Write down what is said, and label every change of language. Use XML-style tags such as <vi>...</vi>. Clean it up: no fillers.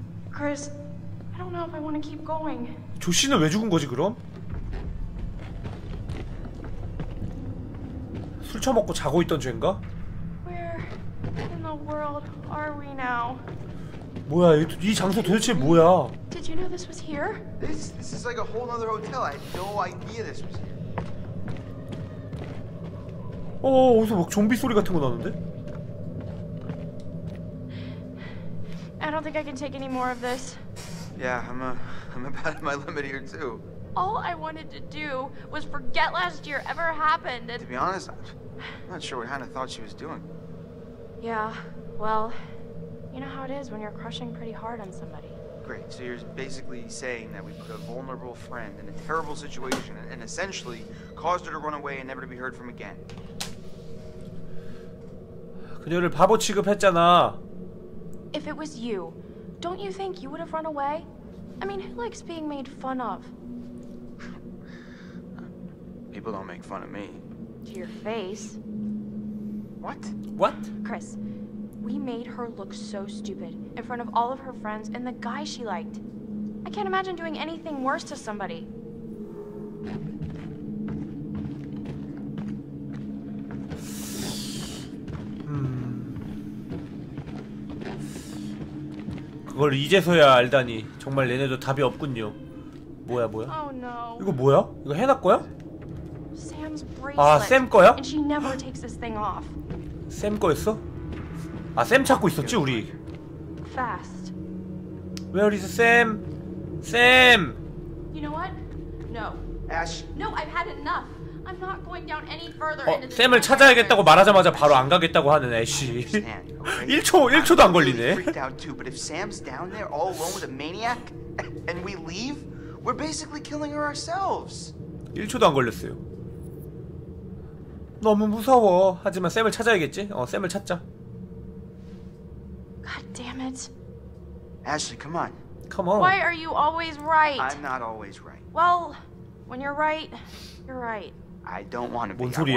<en>Chris, I don't know if I want to keep going.</en> <ko>조씨는 왜 죽은 거지 그럼? 술 처먹고 자고 있던 죄인가?</ko> <en>Where in the world are we now?</en> <ko>뭐야 이 장소 도대체 뭐야?</ko> <en>Did you know this was here? This is like a whole other hotel. I had no idea this was here.</en> <ko>어, 어디서 막 좀비 소리 같은 거 나는데?</ko> <en>I don't think I can take any more of this. Yeah, I'm about at my limit here too. All I wanted to do was forget last year ever happened. To be honest, I'm not sure what Hannah thought she was doing. Yeah, well, you know how it is when you're crushing pretty hard on somebody. Great, so you're basically saying that we put a vulnerable friend in a terrible situation and essentially caused her to run away and never to be heard from again.</en> <ko>그녀를 바보 취급했잖아.</ko> <en>If it was you, don't you think you would have run away? I mean, who likes being made fun of? People don't make fun of me. To your face. What? What? Chris, we made her look so stupid in front of all of her friends and the guy she liked. I can't imagine doing anything worse to somebody.</en> <ko>그걸 이제서야 알다니 정말 얘네도 답이 없군요. 뭐야 뭐야?</ko> <en>Oh, no.</en> <ko>이거 뭐야? 이거 해나 거야?</ko> <en>Sam's bracelet.</en> <ko>아, 샘 거야?</ko> <en>And she never takes this thing off.</en> <ko>샘 거였어? 아, 샘 찾고 있었지 우리.</ko> <en>Fast. Where is Sam? Sam. You know what? No. Ash. No, I've had enough. I'm not going down any further.</en> <ko>어, 샘을 찾아야겠다고 말하자마자 바로 안 가겠다고 하는 애쉬. 1초도 안 걸리네.</ko> <en>But if Sam's down there all alone with a maniac and we leave, we're basically killing her ourselves.</en> <ko>1초도 안 걸렸어요. 너무 무서워. 하지만 샘을 찾아야겠지? 어, 샘을 찾자.</ko> <en>God damn it. Ashley, come on. Come on. Why are you always right? I'm not always right. Well, when you're right, you're right. I don't want to be.</en>